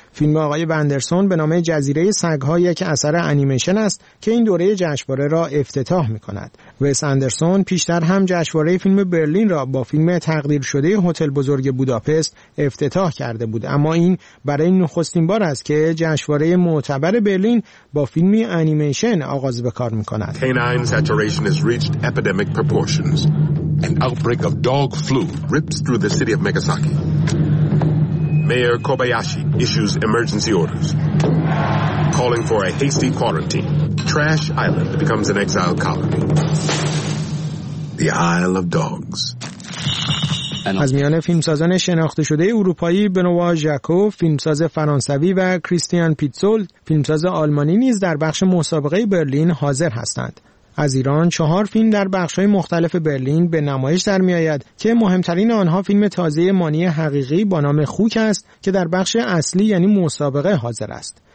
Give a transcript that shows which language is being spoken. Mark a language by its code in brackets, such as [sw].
[fa] فیلم آقای وندرسون به نام جزیره سگ‌ها یک اثر انیمیشن است که این دوره جشنواره را افتتاح می‌کند. وس اندرسون پیشتر هم جشنواره فیلم برلین را با فیلم تقدیر شده هتل بزرگ بوداپست افتتاح کرده بود، اما این برای نخستین بار است که جشنواره معتبر برلین با فیلمی انیمیشن آغاز به کار می‌کند. [en] Canine saturation has reached epidemic proportions. An outbreak of dog flu rips through the city of Megasaki. Mayor Kobayashi issues emergency orders, calling for a hasty quarantine. Trash Island becomes an exile colony. The Isle of Dogs. [fa] از میان فیلمسازان شناخته شده اروپایی بنوا ژاکو، فیلمساز فرانسوی و کریستیان پیتزولد، فیلمساز آلمانی نیز در بخش مسابقه برلین حاضر هستند. از ایران 4 فیلم در بخش‌های مختلف برلین به نمایش در می‌آید که مهمترین آنها فیلم تازه مانی حقیقی با نام خوک است که در بخش اصلی یعنی مسابقه حاضر است.